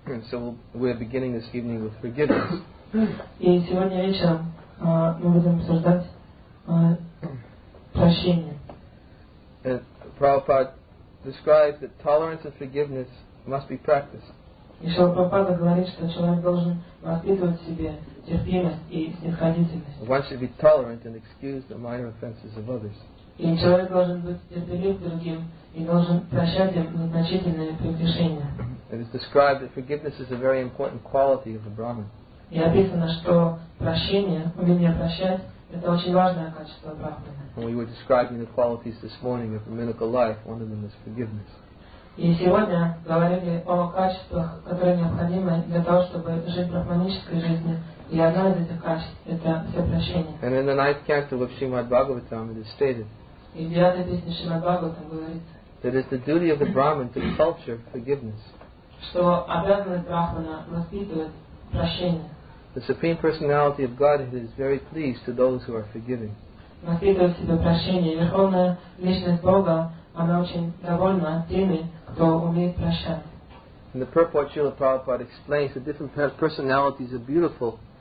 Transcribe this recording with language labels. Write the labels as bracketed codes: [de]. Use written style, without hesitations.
[en] So we're beginning this evening with forgiveness. [ru] И сегодня вечером мы будем обсуждать прощение. [en] And Prabhupada describes that tolerance and forgiveness must be practiced. [ru] И Шрила Прабхупада говорит, что человек должен воспитывать в себе терпимость и снисходительность. [en] One should be tolerant and excuse the minor offenses of others. [ru] И человек должен быть терпелив другим и должен прощать им незначительные прегрешения. [en] It is described that forgiveness is a very important quality of a Brahmin. [ru] И описано, что прощение, умение прощать, это очень важное качество Брахмана. [en] We were describing the qualities this morning of brahminical life. One of them is forgiveness. [ru] И сегодня говорили о качествах, которые необходимы для того, чтобы жить брахманической жизнью. И одно из этих качеств – это все прощение. [en] And in the ninth canto of Srimad Bhagavatam, it is stated. [ru] И в девятой песне Шримад Бхагаватам говорится. [en] That is the duty of the Brahmin to culture forgiveness. [ru] Что обязанность брахмана воспитывает прощение. [en] The Supreme Personality of Godhead is very pleased to those who are forgiving. [ru] Воспитывает в себе прощение. Верховная личность Бога, она очень довольна теми, кто умеет прощать. [en] And the purport Srila Prabhupada explains that different personalities are beautiful.